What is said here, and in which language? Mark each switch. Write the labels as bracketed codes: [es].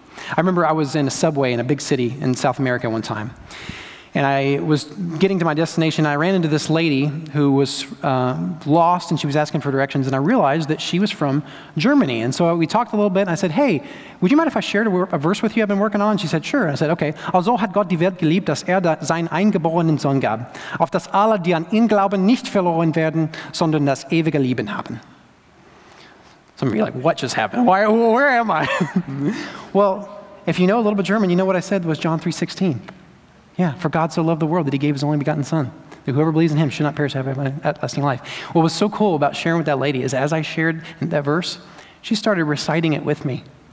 [en] I remember I was in a subway in a big city in South America one time, and I was getting to my destination. I ran into this lady who was lost, and she was asking for directions, and I realized that she was from Germany. And so we talked a little bit, and I said, hey, would you mind if I shared a verse with you I've been working on? And she said, sure. And I said, okay. [de] Also hat Gott die Welt geliebt, dass seinen eingeborenen Sohn gab, auf dass alle, die an ihn glauben, nicht verloren werden, sondern das ewige Leben haben. [en] Some of you are like, what just happened? Why? Where am I? Well, if you know a little bit German, you know what I said was John 3:16. Yeah, for God so loved the world that he gave his only begotten son, that whoever believes in him should not perish, have everlasting life. What was so cool about sharing with that lady is as I shared that verse, she started reciting it with me.